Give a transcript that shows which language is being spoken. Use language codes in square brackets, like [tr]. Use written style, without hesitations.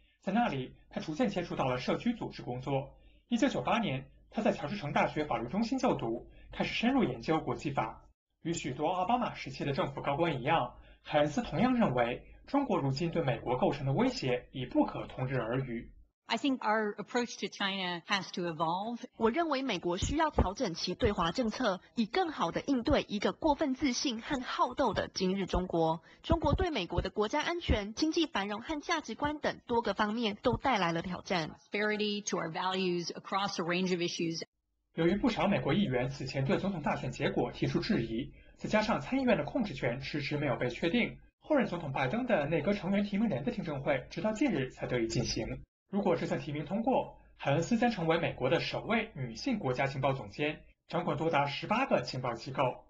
[zh] 在那里，他逐渐接触到了社区组织工作。1998年，他在乔治城大学法律中心就读，开始深入研究国际法。与许多奥巴马时期的政府高官一样，海恩斯同样认为，中国如今对美国构成的威胁已不可同日而语。 [en] I think our approach to China has to evolve. [zh] 我认为美国需要调整其对华政策，以更好地应对一个过分自信和好斗的今日中国。中国对美国的国家安全、经济繁荣和价值观等多个方面都带来了挑战。 [en] Prosperity to our values across a range of issues. [zh] 由于不少美国议员此前对总统大选结果提出质疑，再加上参议院的控制权迟迟没有被确定，后任总统拜登的内阁成员提名人的听证会直到近日才得以进行。如果这项提名通过，海恩斯将成为美国的首位女性国家情报总监，掌管多达18个情报机构。